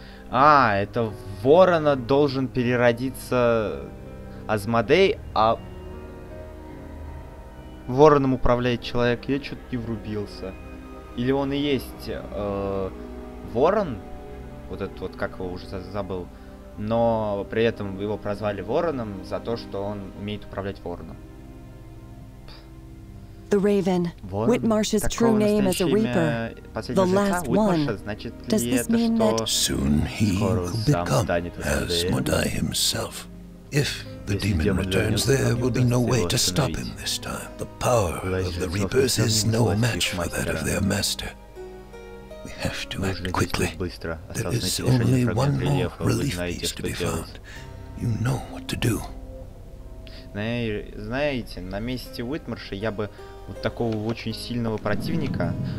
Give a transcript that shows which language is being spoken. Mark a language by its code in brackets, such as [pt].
[ru] А, это Ворона должен переродиться Асмодей, а Вороном управляет человек. Я что-то не врубился. Или он и есть Ворон? Вот этот вот, как его уже забыл. Но при этом его прозвали Вороном за то, что он умеет управлять Вороном. [en] The Raven, Whitmarsh's true name as a Reaper, the last one. Does this mean that soon he will become as Madai himself? If the demon returns, there will be no way to stop him this time. The power of the Reapers is no match for that of their master. We have to act quickly. There is only one more relief piece to be found. You know what to do. [ru] Знаете, на месте Уитмарша я бы вот такого очень сильного противника.